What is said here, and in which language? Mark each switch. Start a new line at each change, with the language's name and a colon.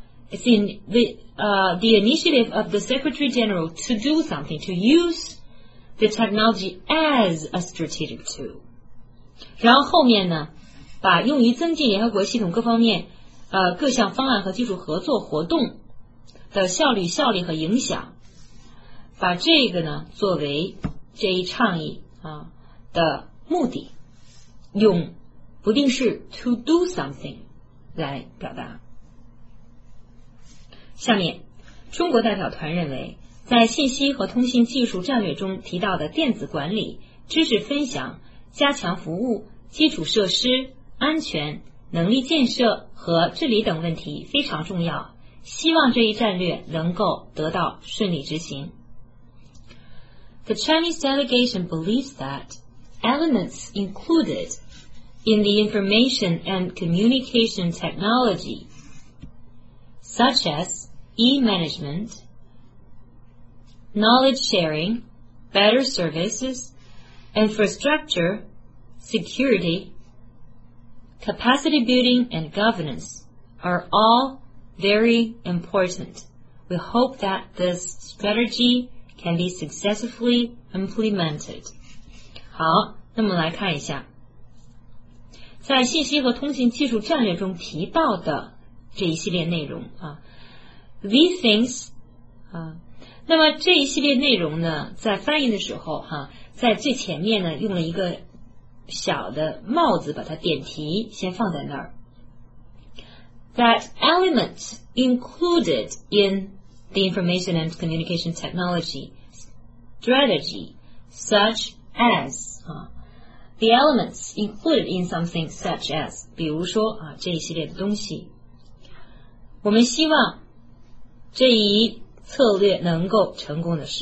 English: It's in the initiative of the Secretary General to do something to use the technology as a strategic tool。
Chinese: 然后后面呢，把用于增进联合国系统各方面各项方案和技术合作活动的效率、效力和影响，把这个呢作为这一倡议啊的目的，用不定式
English: to do something
Chinese: 来表达。下面，中国代表团认为，在信息和通信技术战略中提到的电子管理、知识分享、加强服务、基础设施、安全、能力建设和治理等问题非常重要，希望这一战略能够得到顺利执行。
English: The Chinese delegation believes that elements included in the information and communication technology such as e-management, knowledge sharing, better services, infrastructure, security,capacity building and governance are all very important. We hope that this strategy can be successfully implemented.
Chinese: 好，那么来看一下，在信息和通信技术战略中提到的这一系列内容啊 ，
English: these things
Chinese: 啊，那么这一系列内容呢，在翻译的时候哈、在最前面呢用了一个小的帽子把它点题先放在那儿。
English: That element included in the information and communication technology strategy such as、the elements included in something such as
Chinese: 比如说、这一系列的东西，我们希望这一策略能够成功的实施。